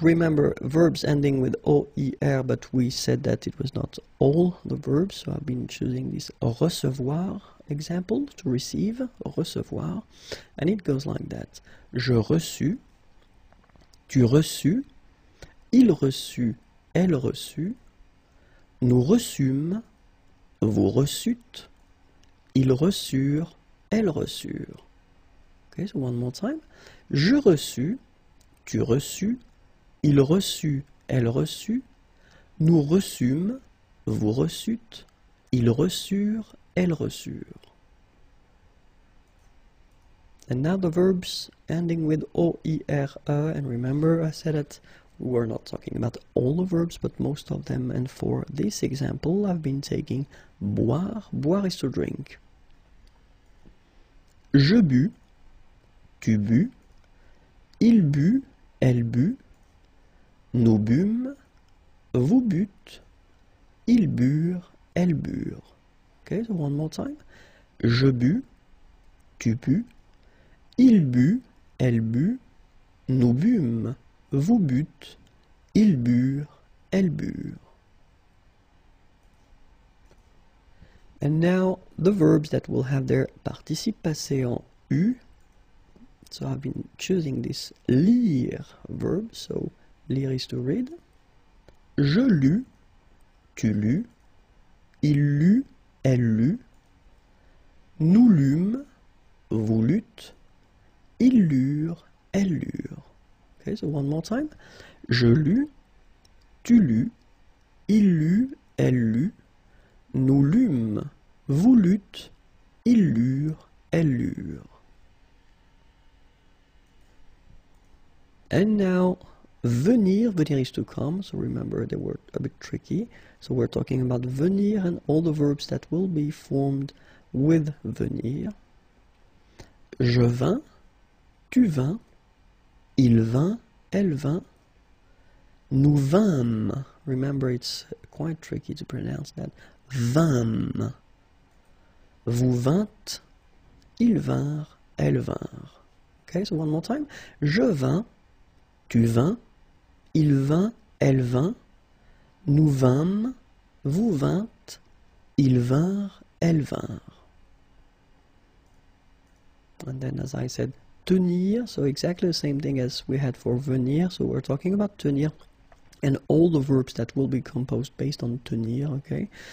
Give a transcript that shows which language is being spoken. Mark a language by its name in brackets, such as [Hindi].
[English] Remember, verbs ending with O-E-R, but we said that it was not all the verbs, so I've been choosing this recevoir example, to receive, recevoir, and it goes like that. [French] Je reçus, tu reçus, il reçut, elle reçut, nous reçûmes, vous reçûtes, ils reçurent, elles reçurent. [English] Okay, so one more time. [French] Je reçus, tu reçus, il reçut, elle reçut, nous reçûmes, vous reçûtes, ils reçurent, elles reçurent. [English] And now the verbs ending with O-E-R-E, and remember I said that we're not talking about all the verbs, but most of them, and for this example I've been taking boire. Boire is to drink. [French] Je bus. Tu bus, il but, elle but, nous bûmes, vous butes, ils burent, elles burent. [English] Okay, so one more time. [French] Je bus, tu bus, il but, elle but, nous bûmes, vous butes, ils burent, elles burent. [English] And now the verbs that will have their participe passé en U. So I've been choosing this lire verb, so lire is to read. [French] Je lus, tu lus, il lut, elle lut, nous lûmes, vous lûtes, ils lurent, elles lurent. [English] Okay, so one more time. [French] Je lus, tu lus, il lut, elle lut, nous lûmes, vous lûtes, ils lurent, elles lurent. [English] And now, venir, venir is to come, so remember they were a bit tricky. So we're talking about venir and all the verbs that will be formed with venir. [French] Je vins, tu vins, il vint, elle vint, nous vîmes. [English] Remember, it's quite tricky to pronounce that. Vîmes. [French] Vous vintes, ils vinrent, elles vinrent. [English] Okay, so one more time. [French] Je vins. Tu vins, il vint, elle vint, nous vîmes, vous vintes, ils vinrent, elles vinrent. [English] And then as I said, tenir, so exactly the same thing as we had for venir, so we're talking about tenir And all the verbs that will be composed based on tenir, okay?